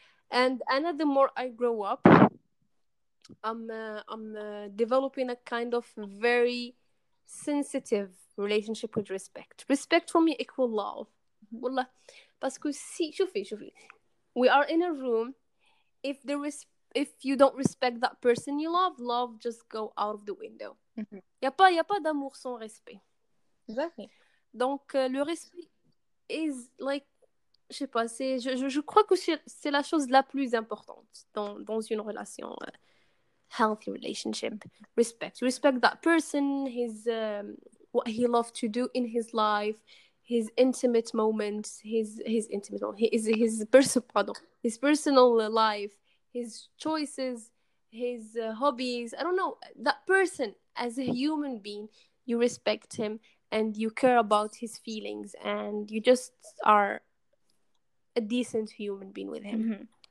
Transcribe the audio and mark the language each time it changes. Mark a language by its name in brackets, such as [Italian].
[English] And Anna, the more I grow up, I'm developing a kind of very sensitive relationship with respect. Respect for me equal love. Wallah. Because see, شوفي. We are in a room. If you don't respect that person you love, love just go out of the window. [French] Y a pas d'amour sans respect. [English] Exactly. [French] Donc le respect [English] is like, [French] je sais pas, c'est je crois que c'est la chose la plus importante dans une relation [English] healthy relationship. Respect. Respect that person, his what he loves to do in his life. His intimate moments, his personal life, his choices, his hobbies. I don't know, that person as a human being, you respect him and you care about his feelings and you just are a decent human being with him.